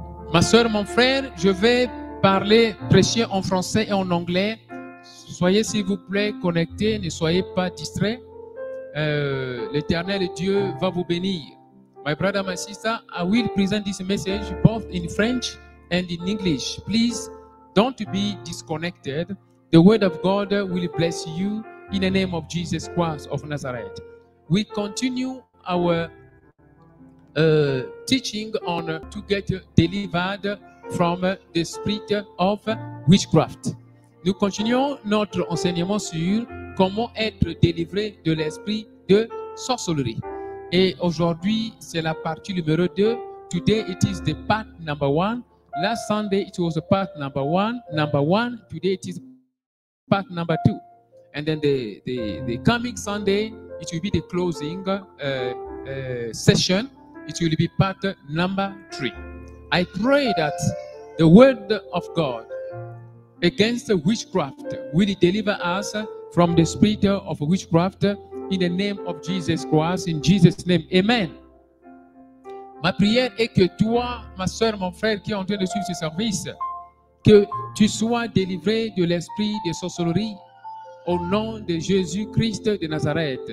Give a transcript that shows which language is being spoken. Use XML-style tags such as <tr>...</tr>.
<fr>Ma soeur, mon frère, je vais parler, prêcher en français et en anglais. Soyez s'il vous plaît connectés, ne soyez pas distraits. L'Éternel Dieu va vous bénir.</fr> <en>My brother, my sister, I will present this message both in French and in English. Please don't be disconnected. The word of God will bless you in the name of Jesus Christ of Nazareth. We continue our teaching on to get delivered from the spirit of witchcraft.</en> <fr>Nous continuons notre enseignement sur comment être délivré de l'esprit de sorcellerie. Et aujourd'hui, c'est la partie numéro 2.</fr> <en>Today it is the part number 1. Last Sunday it was the part number 1. Number 1, today it is part number 2. And then the coming Sunday, it will be the closing session. It will be part number 3. I pray that the word of God against witchcraft will deliver us from the spirit of witchcraft in the name of Jesus Christ, in Jesus' name. Amen.</en> <fr>Ma prière est que toi, ma soeur, mon frère qui est en train de suivre ce service, que tu sois délivré de l'esprit de sorcellerie au nom de Jésus-Christ de Nazareth.</fr>